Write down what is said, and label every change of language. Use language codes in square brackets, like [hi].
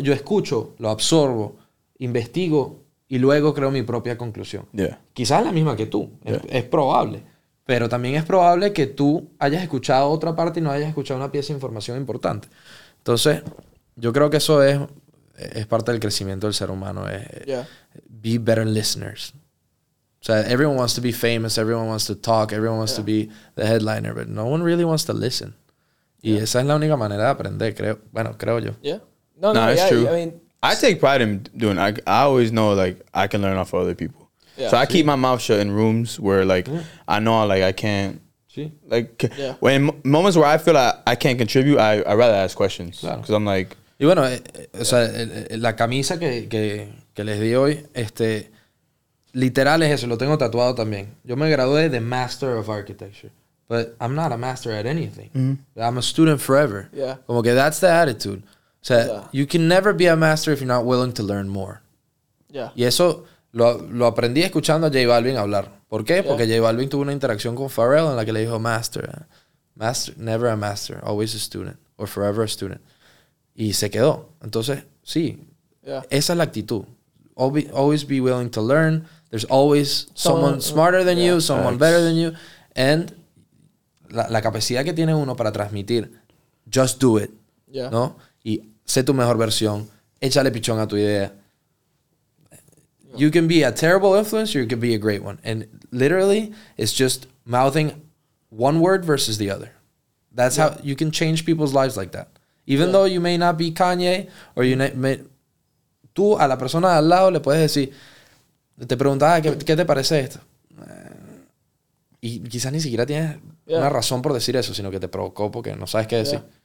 [es] Yo escucho, lo absorbo, investigo y luego creo mi propia conclusión. Quizás la misma que tú. Es probable. Pero también es probable que tú hayas escuchado otra parte y no hayas escuchado una pieza de información importante. Entonces, yo creo que eso es parte del crecimiento del ser humano. [en] Be better listeners. [es] O sea, [en] everyone wants to be famous, everyone wants to talk, everyone wants to be the headliner, but no one really wants to listen. [es] Y esa es la única manera de aprender, creo. Bueno, creo yo. [en] No, it's true. I mean, I take pride in doing it. I always know, like, I can learn off of other people. So I keep my mouth shut in rooms where, like, I know, like, I can't. When moments where I feel like I can't contribute, I'd rather ask questions. Because I'm like... [es] Y bueno, o sea, la camisa que les di hoy, literal es eso, lo tengo tatuado también. Yo me gradué de [en] Master of Architecture. But I'm not a master at anything. Mm-hmm. I'm a student forever. [es] Como que [en] that's the attitude. [es] O sea, [en] you can never be a master if you're not willing to learn more. [es] Y eso lo aprendí escuchando a J Balvin hablar. ¿Por qué? Porque J Balvin tuvo una interacción con Pharrell en la que le dijo, [en] master, never a master, always a student, [es] or forever a student. Y se quedó. Entonces, sí, esa es la actitud. [en] Always be willing to learn. There's always someone smarter than you, someone better than you. And [es] la capacidad que tiene uno para transmitir, [en] just do it. [es] ¿No? Y sé tu mejor versión. Échale pichón a tu idea. [en] You can be a terrible influence, or you can be a great one. And literally, it's just mouthing one word versus the other. That's how you can change people's lives like that. Even though you may not be Kanye, or you may... [es] Tú a la persona de al lado le puedes decir, te preguntaba, ¿qué te parece esto? Y quizás ni siquiera tienes una razón por decir eso, sino que te provocó porque no sabes qué decir.